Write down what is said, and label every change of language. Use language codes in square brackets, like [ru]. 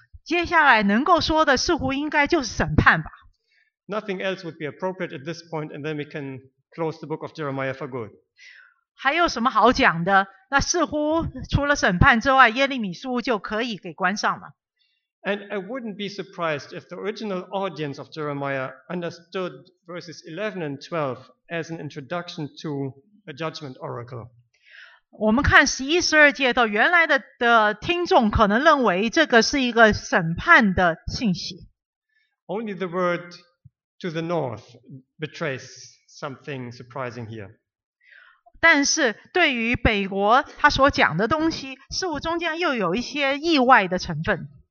[zh] 接下来能够说的似乎应该就是审判吧。 [en] Nothing else would be appropriate at this point, and then we can close the book of Jeremiah for good. [zh] 还有什么好讲的？那似乎除了审判之外，耶利米书就可以给关上了。 [en] And I wouldn't be surprised if the original audience of Jeremiah understood verses 11 and 12 as an introduction to a judgment oracle. [zh] 我们看十一、十二节到原来 的听众可能认为这个是一个审判的信息。 [en] Only the word to the north betrays something surprising here. [zh] 但是对于北国他所讲的东西，似乎中间又有一些意外的成分。